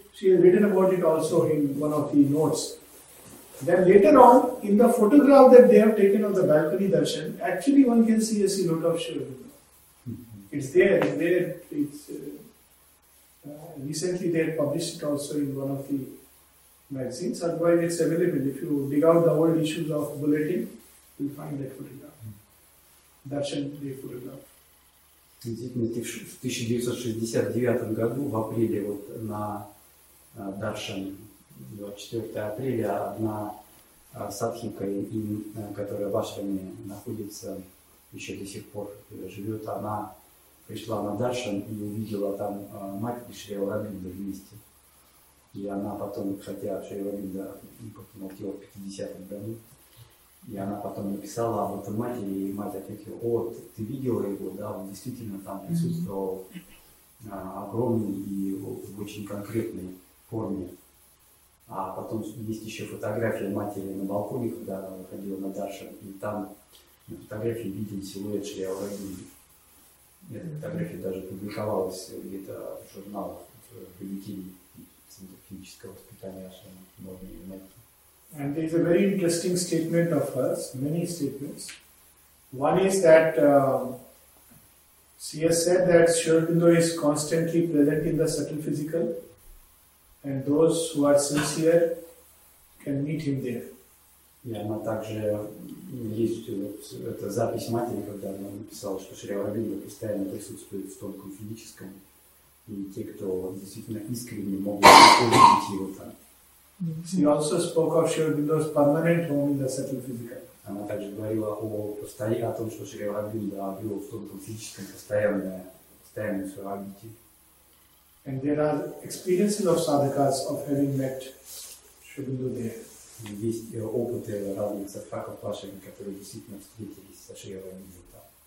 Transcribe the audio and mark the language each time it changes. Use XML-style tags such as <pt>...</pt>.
<en>She has written about it also in one of the notes. Then later on, in the photograph that they have taken of the balcony darshan, actually one can see a silhouette of Sri Aurobindo. It's there. It's recently they had published it also in one of the magazines. Otherwise, it's available. If you dig out the old issues of Bulletin, you'll find that photograph. Darshan, the photograph.</en> <ru>В 1969 году, в апреле, вот на Даршан, 24 апреля, одна садхика, которая в ашраме находится, еще до сих пор живет, она пришла на Даршан и увидела там мать и Шри Аурабинда вместе. И она потом, хотя Шри Аурабинда помолтела в 50-х году, и она потом написала об этом матери, и мать ответила: о, ты видела его, да, он действительно там присутствовал огромный и в очень конкретной форме. А потом есть еще фотография матери на балконе, когда она выходила на Даршан, и там на фотографии виден силуэт Шри Аурабинды. Эта фотография даже публиковалась где-то в журналах, в бюллетене Центра физического воспитания Ашрама, можно ее найти.</ru> <en>And there is a very interesting statement of hers, many statements. One is that she has said that Sri Aurobindo is constantly present in the subtle physical, and those who are sincere can meet him there. Yeah,</en> <ru>она также есть эта запись матери, когда она написала, что Шри Аурабинда постоянно присутствует в тонком физическом, и те, кто действительно искренне могут увидеть его там.</ru> <en>She also spoke of Sri Aurobindo's permanent home in the subtle physical.</en> <ru>Она также говорила о том, что Шри Аурабинда обрел в тонком физическом постоянное свое обитель.</ru> <en>And there are experiences of sadhakas of having met Sri Aurobindo there.</en> <ru>Есть опыты разных садхаков вашими, которые действительно встретились со Шри Аурабиндой там.</ru>